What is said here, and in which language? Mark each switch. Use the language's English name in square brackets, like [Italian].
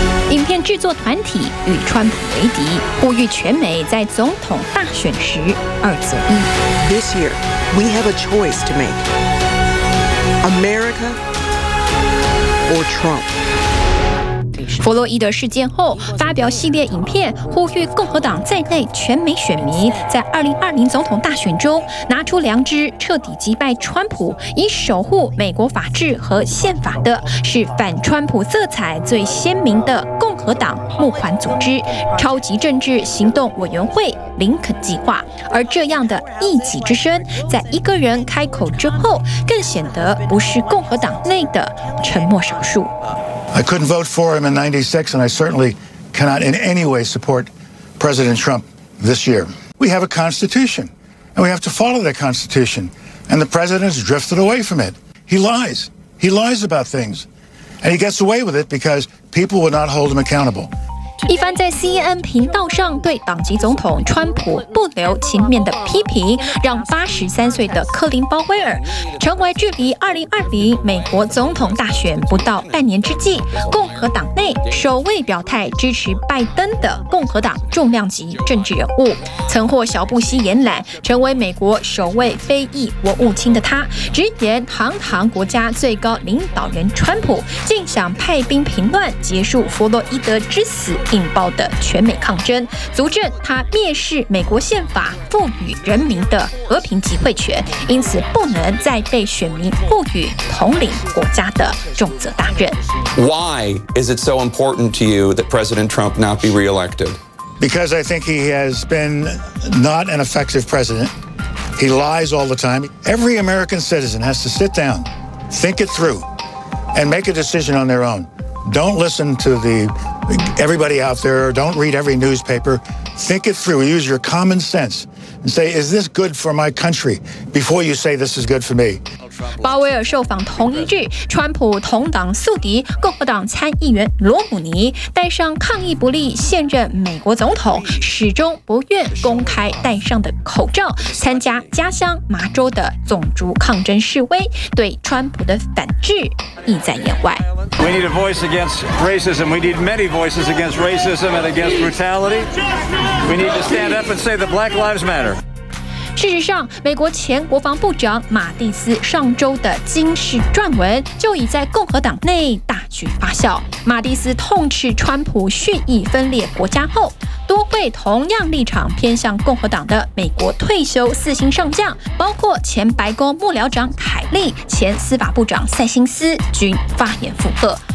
[Chinese] 影片制作团体与川普为敌，呼吁全美在总统大选时二择一。 [English] This year, we have a choice to make. America or Trump? [Chinese] 弗洛伊德事件后发表系列影片，呼吁共和党在内全美选民在2020总统大选中拿出良知，彻底击败川普，以守护美国法治和宪法的是反川普色彩最鲜明的共和党募款组织超级政治行动委员会林肯计划。而这样的一己之声在一个人开口之后，更显得不是共和党内的沉默少数。 [English] I couldn't vote for him in 96, and I certainly cannot in any way support President Trump this year. We have a constitution, and we have to follow that constitution, and the president's drifted away from it. He lies. He lies about things, and he gets away with it because people would not hold him accountable. [Chinese] 一番在 CNN 频道上对党籍总统川普不留情面的批评，让83岁的科林鲍威尔成为距离2020美国总统大选不到半年之际，共和党内首位表态支持拜登的共和党重量级政治人物。曾获小布希延揽成为美国首位非裔国务卿的他，直言堂堂国家最高领导人川普竟想派兵平乱，结束弗洛伊德之死引爆的全美抗争，足证他蔑视美国宪法赋予人民的和平集会权，因此不能再被选民赋予统领国家的重责大任。 [English] Why is it so important to you that President Trump not be re-elected? Because I think he has been not an effective president. He lies all the time. Every American citizen has to sit down, think it through, and make a decision on their own. Don't listen to the... Everybody out there, don't read every newspaper. Think it through. Use your common sense and say, is this good for my country? Before you say this is good for me. [Chinese] 鲍威尔受访同一日，川普同党宿敌共和党参议员罗姆尼戴上抗议不力现任美国总统始终不愿公开戴上的口罩，参加家乡麻州的种族抗争示威，对川普的反制意在言外。 [English] We need a voice against racism. We need many voices against racism and against brutality. We need to stand up and say that Black Lives Matter. [Chinese] 事实上，美国前国防部长马蒂斯上周的惊世撰文就已在共和党内大举发酵。马蒂斯痛斥川普蓄意分裂国家后，多位同样立场偏向共和党的美国退休四星上将，包括前白宫幕僚长凯利、前司法部长塞辛斯，均发言附和。